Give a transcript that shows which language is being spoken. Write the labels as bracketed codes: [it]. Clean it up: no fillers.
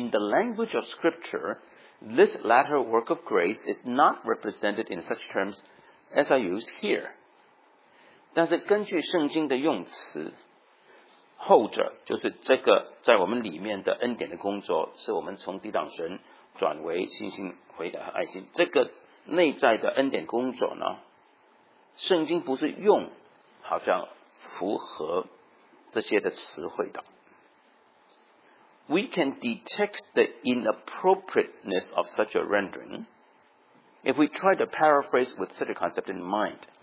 [en] in the language of Scripture, this latter work of grace is not represented in such terms as are used here. [zh] 但是根据圣经的用词，后者就是这个在我们里面的恩典的工作，是我们从抵挡神转为信心、悔改和爱心。这个内在的恩典工作呢，圣经不是用好像符合这些的词汇的。 [en] We can detect the inappropriateness of such a rendering if we try to paraphrase with such a concept in mind.